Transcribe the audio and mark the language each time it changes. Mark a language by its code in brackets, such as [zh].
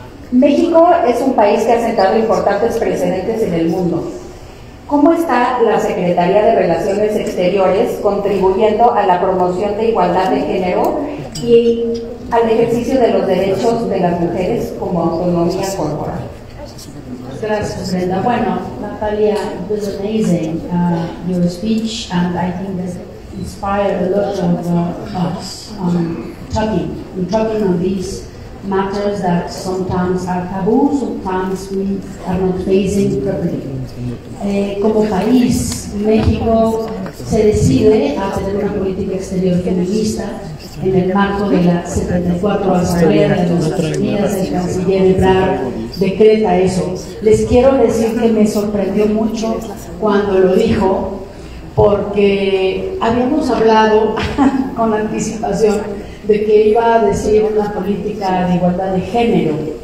[es] México es un país que ha sentado importantes precedentes en el mundo. ¿Cómo está la Secretaría de Relaciones Exteriores contribuyendo a la promoción de igualdad de género y al ejercicio de los derechos de las mujeres como autonomía corporal? Gracias, Brenda. [en] Bueno, Natalia, it was amazing your speech, and I think that inspired a lot of us talking on these matters that sometimes are taboo, sometimes we are not facing properly. [es] Como país, México se decide a tener una política exterior feminista en el marco de la 74 Asamblea de las Naciones Unidas. El canciller Ebrard decreta eso. Les quiero decir que me sorprendió mucho cuando lo dijo, porque habíamos hablado con anticipación de que iba a decir una política de igualdad de género.